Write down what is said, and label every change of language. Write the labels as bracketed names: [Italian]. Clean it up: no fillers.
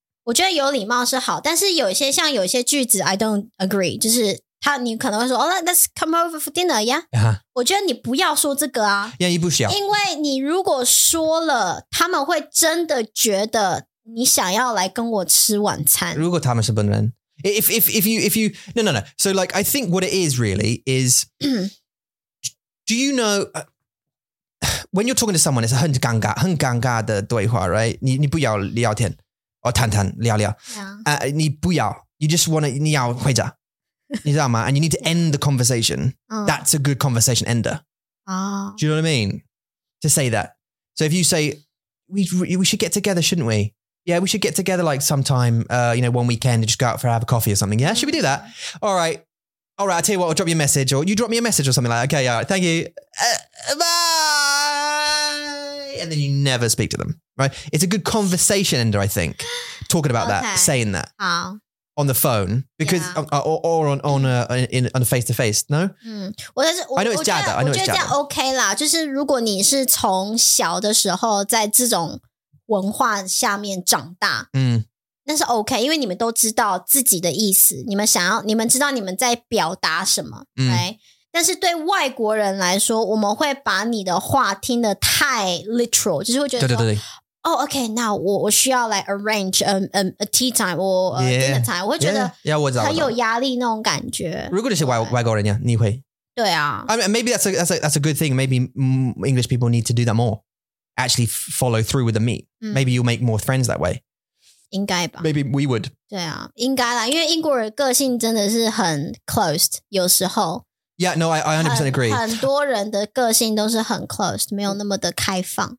[Chinese] 我觉得有礼貌是好，但是有些像有些句子 [English] I don't agree， [Chinese] 就是他你可能会说、 [English] oh, Let's come over for dinner yeah、 uh-huh. [Chinese] 我觉得你不要说这个啊，愿意不需要，因为你如果说了他们会真的觉得你想要来跟我吃晚餐，如果他们是本人。 [English] If you no no no, so like I think what it is really is do you know、when you're talking to someone it's [Chinese] 很尴尬的对话 [English] right， [Chinese] 你不要聊天 [English] or [Chinese] 谈聊聊、 [English] yeah. [Chinese] 你不要 [English] you just wanna [Chinese] 你要回家你知道吗 [English] and you need to end the conversation、that's a good conversation ender、do you know what I mean to say that so if you say we should get together shouldn't weYeah, we should get together like sometime, you know, one weekend and just go out for have a coffee or something. Yeah, should we do that? All right. All right, I'll tell you what, I'll drop you a message or you drop me a message or something like that. Okay, yeah, right, thank you. Bye! And then you never speak to them, right? It's a good conversation ender, I think, talking about okay. that, saying that. Wow. On the phone, because、yeah. Or on a face-to-face, no?、 I know it's jab, though. I know it's jab. [Chinese] 我觉得这样 OK 啦，就是如果你是从小的时候在这种文化下面长大、那是 OK， 因为你们都知道自己的意思，你们想要，你们知道你们在表达什么、right? 但是对外国人来说，我们会把你的话听得太 literal， 就是会觉得说，对对对对 [English] Oh, okay, now [Chinese] 我需要 [English] like arrange a tea time or a dinner time. [Chinese] 我会觉得 很有压力那种感觉。如果你是外国人呀，你会。对啊。 [English] I mean, maybe that's a good thing. Maybe English people need to do that more. Actually follow through with the meet.、Maybe you'll make more friends that way. [Chinese] 应该吧。 [English] Maybe we would. [Chinese] 对啊，应该啦，因为英国人个性真的是很 closed 有时候。 [English] Yeah, no, I 100% agree. [Chinese] 很多人的个性都是很 closed, 没有那么的开放。